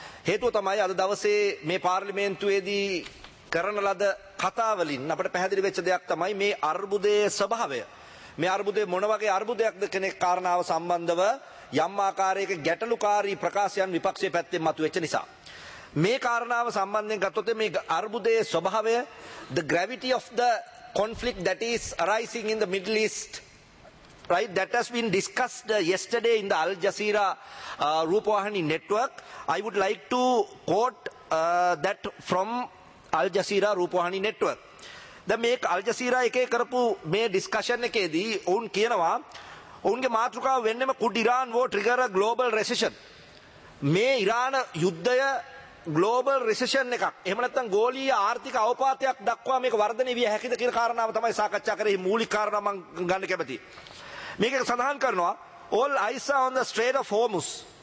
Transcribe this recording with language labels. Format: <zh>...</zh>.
<si>හේතුව තමයි අද දවසේ මේ පාර්ලිමේන්තුවේදී කරන ලද කතාවලින් අපට පැහැදිලි වෙච්ච දෙයක් තමයි මේ අර්බුදයේ ස්වභාවය. මේ අර්බුදයේ මොන වගේ අර්බුදයක්ද කෙනෙක් කාරණාව සම්බන්ධව යම් ආකාරයක ගැටලුකාරී ප්‍රකාශයන් විපක්ෂයේ පැත්තෙන් මතුවෙච්ච නිසා. මේ කාරණාව සම්බන්ධයෙන් ගත්තොත් මේ අර්බුදයේ ස්වභාවය,</si> <en>the gravity of the conflict that is arising in the Middle East, right, that has been discussed yesterday in the Al Jazeera Rupawahini network. I would like to quote that from Al Jazeera Rupawahini network.</en> <si>දැන් මේ Al Jazeera එකේ කරපු මේ discussion එකේදී ඔවුන් කියනවා ඔවුන්ගේ මාතෘකාව වෙන්නේම</si> <en>could Iran war trigger a global recession.</en> <si>මේ ඉරාන යුද්ධය</si> <en>global recession</en> <si>එකක්, එහෙම නැත්නම් ගෝලීය ආර්ථික අවපාතයක් දක්වා මේක වර්ධනය විය හැකිද කියන කාරණාව තමයි සාකච්ඡා කරේ. මේ මූලික කාරණා මම ගන්න කැමතියි. මේක සඳහන් කරනවා</si> <en>all eyes are on the Strait of Hormuz.</en>